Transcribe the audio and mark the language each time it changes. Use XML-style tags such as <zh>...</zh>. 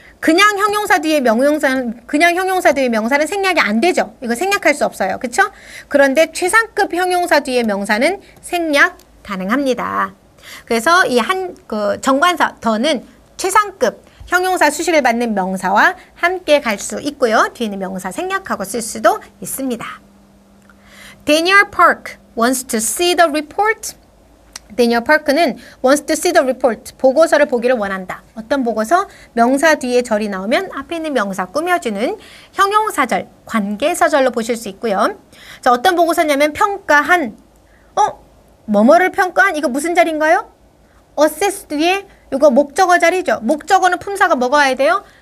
<ko>그냥 형용사 뒤에 명용사는 그냥 형용사 뒤에 명사는 생략이 안 되죠. 이거 생략할 수 없어요. 그렇죠? 그런데 최상급 형용사 뒤에 명사는 생략 가능합니다. 그래서 이 한 그 정관사 더는 최상급 형용사 수식을 받는 명사와 함께 갈 수 있고요. 뒤에는 명사 생략하고 쓸 수도 있습니다.</ko> <en>Daniel Park wants to see the report. Daniel Park는 wants to see the report.</en> <ko>보고서를 보기를 원한다. 어떤 보고서? 명사 뒤에 절이 나오면 앞에 있는 명사 꾸며주는 형용사절, 관계사절로 보실 수 있고요. 자, 어떤 보고서냐면 평가한. 뭐뭐를 평가한? 이거 무슨 자리인가요? Assess 뒤에 이거 목적어 자리죠. 목적어는 품사가 뭐가 와야 돼요?</ko>